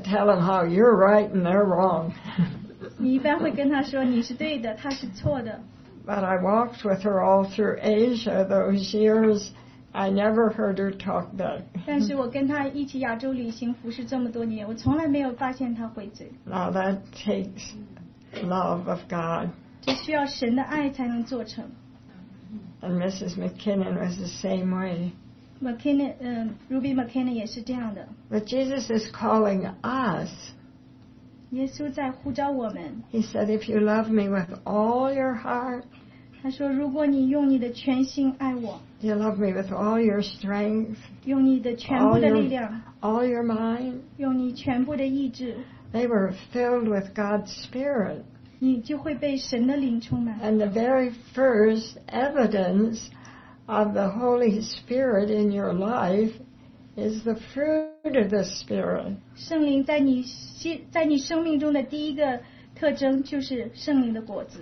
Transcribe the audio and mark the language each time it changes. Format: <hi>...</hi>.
<en>tell them how you're right and they're wrong.</en> <zh>你一般会跟他说你是对的，他是错的。</zh> <en>But I walked with her all through Asia those years. I never heard her talk back.</en> <zh>但是我跟他一起亚洲旅行服侍这么多年，我从来没有发现他回嘴。</zh> <en>Now that takes love of God.</en> <zh>这需要神的爱才能做成。</zh> <en>And Mrs. McKinnon was the same way.</en> <zh>Ruby McKinnon 也是这样的。</zh> <en>But Jesus is calling us.</en> <zh>耶稣在呼召我们。</zh> <en>He said, "If you love me with all your heart."</en> <zh>他说，如果你用你的全心爱我。</zh> <en>You love me with all your strength,</en> <zh>用你的全部的力量,</zh> <en>all your mind,</en> <zh>用你全部的意志,</zh> <en>they were filled with God's Spirit.</en> <zh>你就会被神的灵充满,</zh> <en>and the very first evidence of the Holy Spirit in your life is the fruit of the Spirit.</en> <zh>圣灵在你生命中的第一个特征就是圣灵的果子。</zh>